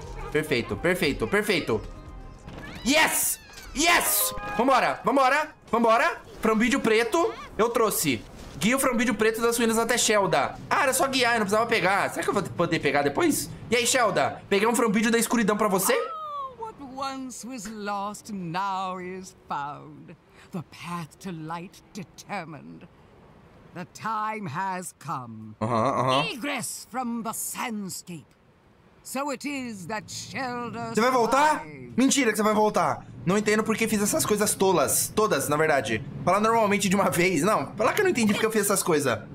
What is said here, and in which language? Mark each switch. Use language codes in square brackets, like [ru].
[pt] Perfeito, perfeito, perfeito. [en] Yes! Yes! [pt] Vambora, vambora, vambora. Frambuídeo preto, eu trouxe. Guia o frambuídeo preto das ruínas até Shelda. Ah, era só guiar, eu não precisava pegar. Será que eu vou poder pegar depois? E aí, Shelda? Peguei um frambuídeo da escuridão pra você? [en] Oh, what once was lost now is found. The path to light determined. The time has come. Egress from the sandscape. So it is that Shelda. [pt] Você vai voltar? Mentira que você vai voltar. Não entendo por que fiz essas coisas tolas. Todas, na verdade. Falar normalmente de uma vez. Não, falar que eu não entendi por que eu fiz essas coisas.